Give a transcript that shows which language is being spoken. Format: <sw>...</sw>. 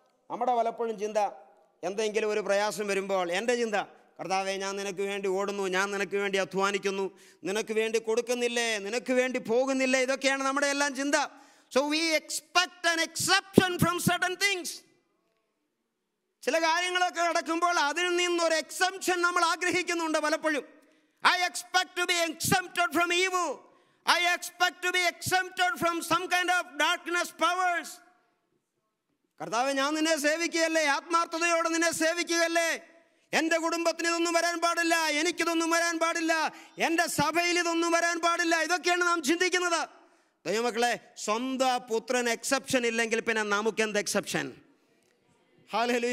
<ml>നമ്മുടെ പലപ്പോഴും ചിന്ത, എന്തെങ്കിലും ഒരു പ്രയാസം വരുമ്പോൾ എൻ്റെ ചിന്ത, കർത്താവേ ഞാൻ നിനക്ക് വേണ്ടി ഓടുന്നു, ഞാൻ നിനക്ക് വേണ്ടി അധ്വാനിക്കുന്നു, നിനക്ക് വേണ്ടി കൊടുക്കുന്നില്ലേ, നിനക്ക് വേണ്ടി പോകുന്നില്ലേ, ഇതൊക്കെയാണ് നമ്മുടെ എല്ലാം ചിന്ത.</ml> <en>So we expect an exception from certain things.</en> <ml>ചില കാര്യങ്ങളൊക്കെ നടക്കുമ്പോൾ അതിൽ നിന്നൊരു എക്സെപ്ഷൻ നമ്മൾ ആഗ്രഹിക്കുന്നുണ്ട് പലപ്പോഴും.</ml> <en>I expect to be exempted from evil. I expect to be exempted from some kind of darkness powers.</en> <ml>കർത്താവേ ഞാൻ നിന്നെ സേവിക്കുകയല്ലേ, ആത്മാർത്ഥതയോടെ നിന്നെ സേവിക്കുകയല്ലേ, എൻ്റെ കുടുംബത്തിന് ഇതൊന്നും വരാൻ പാടില്ല, എനിക്കിതൊന്നും വരാൻ പാടില്ല, എൻ്റെ സഭയിൽ ഇതൊന്നും വരാൻ പാടില്ല, ഇതൊക്കെയാണ് നാം ചിന്തിക്കുന്നത്. ദൈവമക്കളെ, സ്വന്തം പുത്രൻ എക്സെപ്ഷൻ ഇല്ലെങ്കിൽ പിന്നെ നമുക്ക് എന്ത് എക്സെപ്ഷൻ? ഹാലലു.</ml>